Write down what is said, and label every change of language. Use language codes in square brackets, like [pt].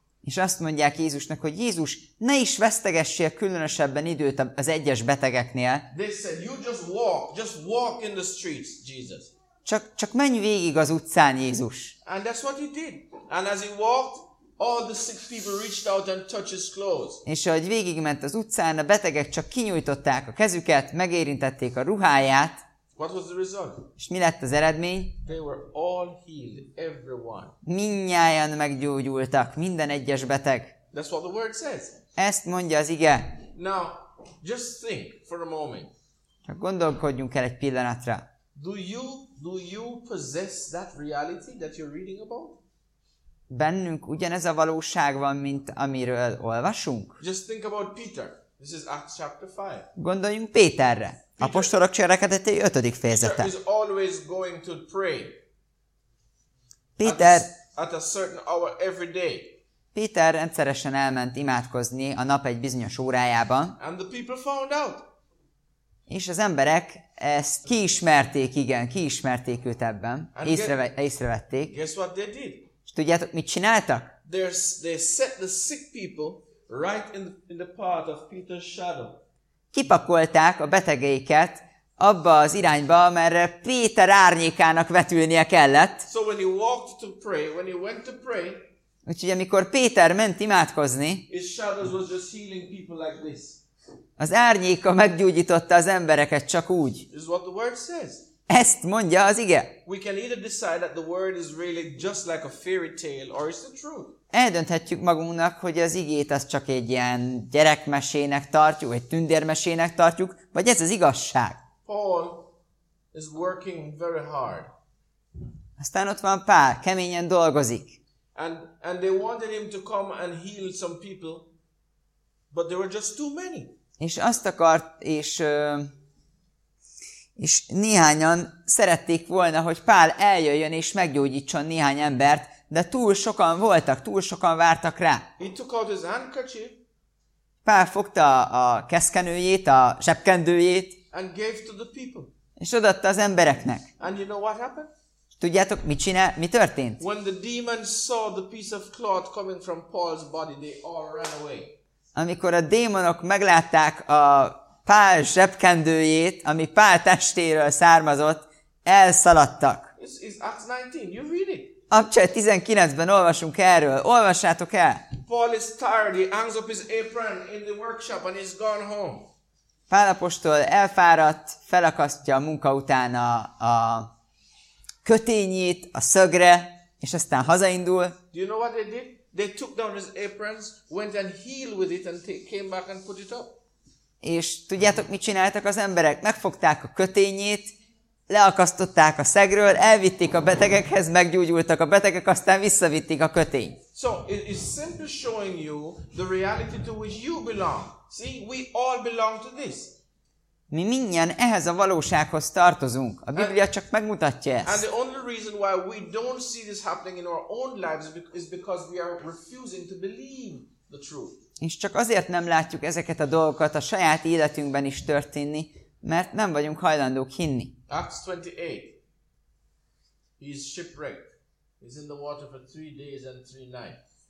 [hu] És azt mondják Jézusnak, hogy Jézus, ne is vesztegessél különösebben időt az egyes betegeknél. [en] They said, you just walk in the streets, Jesus. [hu] Csak menj végig az utcán, Jézus. [en] And that's what he did. And as he walked, all the sick people reached out and touched his clothes. [hu] És ahogy végigment az utcán, a betegek csak kinyújtották a kezüket, megérintették a ruháját. [en] What was the result? [hu] És mi lett az eredmény? [en] They were all healed, everyone. [hu] Mindnyájan meggyógyultak, minden egyes beteg. [en] That's what the word says. [hu] Ezt mondja az ige. [en] Now, just think for a moment. [hu] Csak gondolkodjunk el egy pillanatra. [en] Do you possess that reality that you're reading about? [hu] Bennünk ugyanez a valóság van, mint amiről olvasunk. [en] Just think about Peter. This is Acts chapter 5. [hu] Gondoljunk Péterre. Apostolok cselekedetei 5. fejezete. [en] Peter is always going to pray. Peter at a certain hour every day. [hu] Peter rendszeresen elment imádkozni a nap egy bizonyos órájában. [en] And the people found out. [hu] És az emberek ezt kiismerték, igen, kiismerték őt ebben. Észrevették. [en] Guess what they did? [hu] És tudjátok, mit csináltak? [en] They set the sick people right in the path of Peter's shadow. [hu] Kipakolták a betegeiket abba az irányba, amerre Péter árnyékának vetülnie kellett. [en] So when he walked to pray, when he went to pray, [hu] úgyhogy amikor Péter ment imádkozni, [en] his shadows was just healing people like this. [hu] Az árnyéka meggyógyította az embereket csak úgy. [en] This is what the word says. [hu] Ezt mondja az ige. [en] We can either decide that the word is really just like a fairy tale, or it's the truth. [hu] Eldönthetjük magunknak, hogy az igét az csak egy ilyen gyerekmesének tartjuk, vagy tündérmesének tartjuk, vagy ez az igazság. [en] Paul is working very hard. [hu] Aztán ott van Pál, keményen dolgozik. [en] And they wanted him to come and heal some people, but there were just too many. [hu] És azt akart, és néhányan szerették volna, hogy Pál eljöjjön és meggyógyítson néhány embert, de túl sokan voltak, túl sokan vártak rá. [en] He took out his handkerchief. [hu] Pál fogta a keszkenőjét, a zsebkendőjét. [en] And gave to the people. [hu] És odaadta az embereknek. [en] And you know what happened? [hu] Tudjátok, mit csinál, mi történt? [en] When the demons saw the piece of cloth coming from Paul's body, they all ran away. [hu] Amikor a démonok meglátták a Pál zsebkendőjét, ami Pál testéről származott, elszaladtak. [en] It's Acts 19. You read it. [hu] Abcsely 19-ben olvasunk erről. Olvassátok el! [en] Paul is tired. He hangs up his apron in the workshop and he's gone home. [hu] Pál apostol elfáradt, felakasztja a munka után a kötényét, a szögre, és aztán hazaindul. [en] Do you know what they did? They took down his aprons, went and healed with it and came back and put it up. [hu] És tudjátok, mit csináltak az emberek? Megfogták a kötényét, leakasztották a szegről, elvitték a betegekhez, meggyógyultak a betegek, aztán visszavitték a kötény. [en] So it's simply showing you the reality to which you belong. See, we all belong to this. [hu] Mi mindjárt ehhez a valósághoz tartozunk. A Biblia csak megmutatja ezt. [en] And the only reason why we don't see this happening in our own lives is because we are refusing to believe the truth. [hu] És csak azért nem látjuk ezeket a dolgokat a saját életünkben is történni, mert nem vagyunk hajlandók hinni. [en] Acts 28. He is shipwrecked. He's in the water for 3 days and 3 nights.